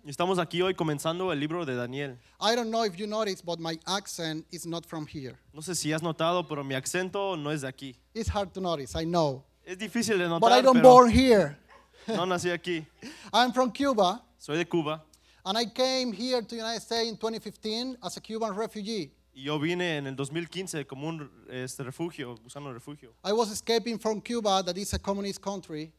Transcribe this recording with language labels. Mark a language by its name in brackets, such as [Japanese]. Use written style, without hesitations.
[Spanish] Y estamos aquí hoy comenzando el libro de Daniel. [English] I don't know if you noticed, but my accent is not from here. [Spanish] No sé si has notado, pero mi acento no es de aquí. [English] It's hard to notice. I know. [Spanish] Es difícil de notar. [English] But I don't born here. [Spanish] No nací aquí. [English] I'm from Cuba. [Spanish] Soy de Cuba. [English] And I came here to the United States in 2015 as a Cuban refugee. [Spanish] Yo vine en el 2015 como un refugio, usando refugio. [English] I was escaping from Cuba, that is a communist country.